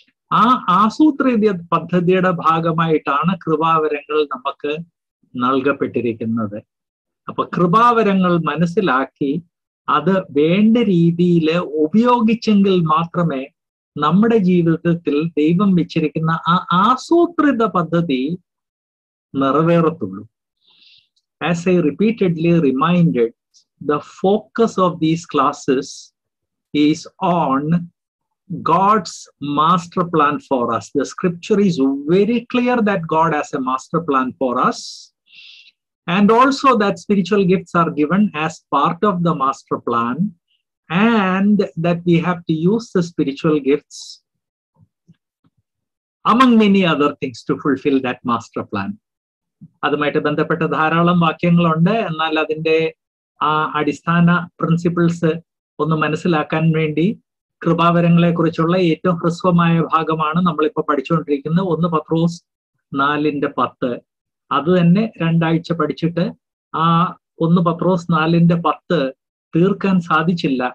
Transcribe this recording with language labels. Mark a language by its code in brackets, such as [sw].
[ml] ആ ആസൂത്രിത പദ്ധതിയുടെ ഭാഗമായിട്ടാണ് കൃപാവരങ്ങൾ നമുക്ക് നൽകപ്പെട്ടിരിക്കുന്നത്. അപ്പൊ കൃപാവരങ്ങൾ മനസ്സിലാക്കി അത് വേണ്ട രീതിയിൽ ഉപയോഗിച്ചെങ്കിൽ മാത്രമേ നമ്മുടെ ജീവിതത്തിൽ ദൈവം വെച്ചിരിക്കുന്ന ആ ആസൂത്രിത പദ്ധതി നിറവേറത്തുള്ളൂ. [en] As I repeatedly reminded, the focus of these classes is on God's master plan for us. The scripture is very clear that God has a master plan for us, and also that spiritual gifts are given as part of the master plan, and that we have to use the spiritual gifts among many other things to fulfill that master plan. [ml] അതുമായിട്ട് ബന്ധപ്പെട്ട ധാരാളം വാക്യങ്ങളുണ്ട്. എന്നാൽ അതിൻ്റെ ആ അടിസ്ഥാന principles ഒന്ന് മനസ്സിലാക്കാൻ വേണ്ടി കൃപാവരങ്ങളെ കുറിച്ചുള്ള ഏറ്റവും ഹ്രസ്വമായ ഭാഗമാണ് നമ്മളിപ്പോൾ പഠിച്ചുകൊണ്ടിരിക്കുന്നത്, 1 Petrus 4:10. അത് തന്നെ 2 ആഴ്ച പഠിച്ചിട്ട് ആ 1 Petrus 4:10 തീർക്കാൻ സാധിച്ചില്ല.